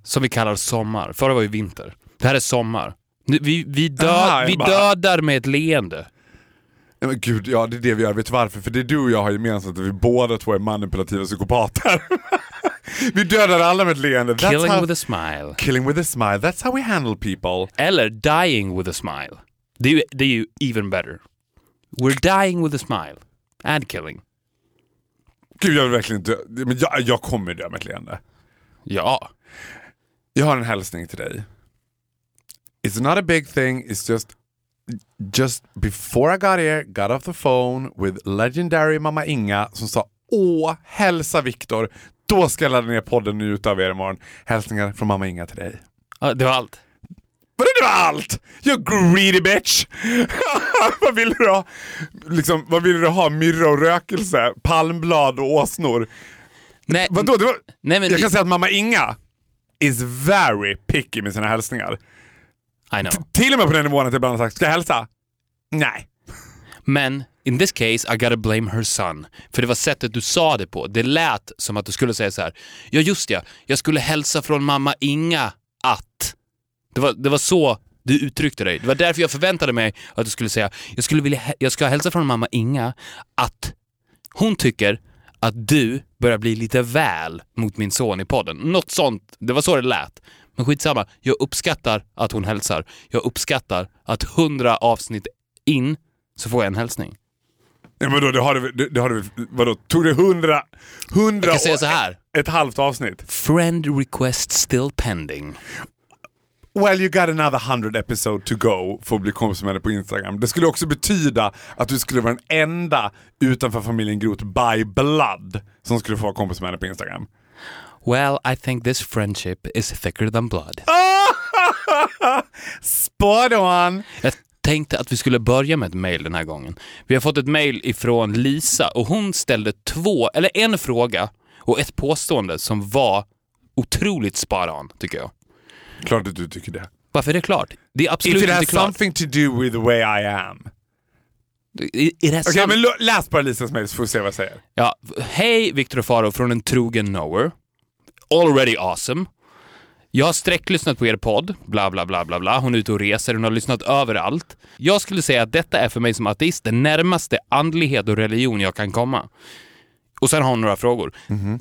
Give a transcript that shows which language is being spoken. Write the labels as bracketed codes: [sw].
[sv] Som vi kallar sommar. Förra var ju vinter. Det här är sommar. Vi dödar med ett leende. Nej, men gud, ja, det är det vi gör. Vet du varför? För det är du och jag har gemensamt att vi båda två är manipulativa psykopater. Vi dödar alla med ett leende. [en] Killing with a smile. That's how we handle people. [sv] Eller [en] dying with a smile. [sv] Det är ju [en] even better. We're dying with a smile. And killing. [sv] Gud, jag vill verkligen dö. Men jag kommer dö med ett leende. Ja. Jag har en hälsning till dig. [en] It's not a big thing. It's just before I got here, got off the phone with legendary mamma Inga [sv] som sa, åh, hälsa [en] Victor. [sv] Då ska jag ladda ner podden nu utav er imorgon. Hälsningar från mamma Inga till dig. Det var allt. Vadå det var allt? [en] You greedy bitch. [sv] Vad vill du ha? Liksom, vad vill du ha? Myrra och rökelse? Palmblad och åsnor? Nej, vadå? Det var... nej, men jag kan säga att mamma Inga [en] is very picky [sv] med sina hälsningar. [en] I know. [sv] Till och med på den nivån att jag bara sagt, ska jag hälsa? Nej. Men [en] in this case, I gotta blame her son. [sv] För det var sättet du sa det på. Det lät som att du skulle säga så här. Ja, just det. Jag skulle hälsa från mamma Inga att... Det var så du uttryckte dig. Det var därför jag förväntade mig att du skulle säga jag ska hälsa från mamma Inga att hon tycker att du börjar bli lite väl mot min son i podden. Något sånt. Det var så det lät. Men skitsamma. Jag uppskattar att hon hälsar. Jag uppskattar att 100 avsnitt in så får jag en hälsning. Ja, men då det har du vadå, tog det 100 jag kan säga så här. Ett halvt avsnitt. [en] Friend request still pending. Well, you got another 100 episode to go [sv] för att bli kompis med dig på [en] Instagram. [sv] Det skulle också betyda att du skulle vara den enda utanför familjen Groth [en] by blood [sv] som skulle få vara kompis med dig på Instagram. [en] Well, I think this friendship is thicker than blood. Spot on. [sv] Tänkte att vi skulle börja med ett mejl den här gången. Vi har fått ett mejl ifrån Lisa och hon ställde en fråga och ett påstående som var otroligt spot on, tycker jag. Klart att du tycker det. Varför är det klart? Det är absolut inte klart. [en] If it has something to do with the way I am. [sv] Okej, men läs bara Lisas mejl så får vi se vad jag säger. Ja, hej Victor och Faro från en trogen knower. [en] Already awesome. [sv] Jag har sträcklyssnat på er podd, bla bla bla bla bla. Hon är ute och reser, hon har lyssnat överallt. Jag skulle säga att detta är för mig som ateist den närmaste andlighet och religion jag kan komma. Och sen har hon några frågor. Mm-hmm.